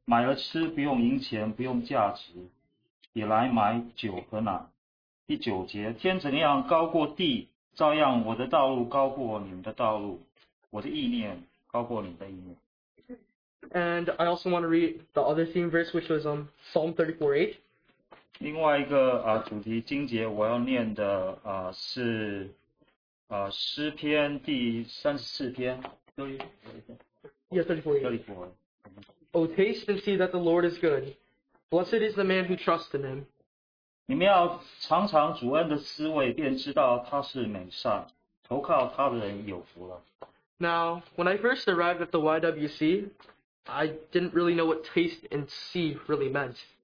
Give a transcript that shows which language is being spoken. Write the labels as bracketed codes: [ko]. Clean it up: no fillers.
[zh] 你们一切干渴的都当就近水来，没有银钱的也可以来，你们都来买，买了吃不用银钱，不用价值。也来买酒和奶。第九节，天怎样高过地，照样我的道路高过你们的道路，我的意念高过你的意念。And [en] I also want to read the other theme verse, which was Psalm 34:8. [zh] 另外一个主题经节我要念的是诗篇第34篇。34. [en] O taste and see that the Lord is good. Blessed is the man who trusts in him. [zh] 你们要尝尝主恩的滋味，便知道他是美善，投靠他的人有福了。Now, [en] when I first arrived at the YWC, I didn't really know what taste and see really meant.